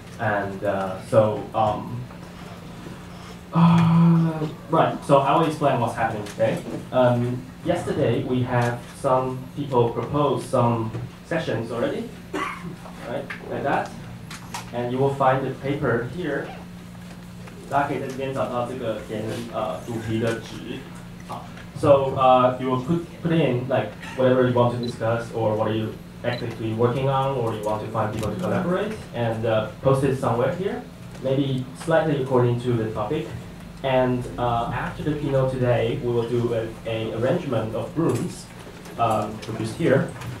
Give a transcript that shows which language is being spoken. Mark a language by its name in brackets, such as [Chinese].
[English] And right, so I will explain what's happening today. Yesterday, we had some people propose some sessions already, right, like that. And you will find the paper here. [Chinese] 大家可以在这边找到这个填主题的纸. [English] So you will put in like whatever you want to discuss or what are you actively working on or you want to find people to collaborate and post it somewhere here, maybe slightly according to the topic. And after the keynote today, we will do an arrangement of rooms, which is here.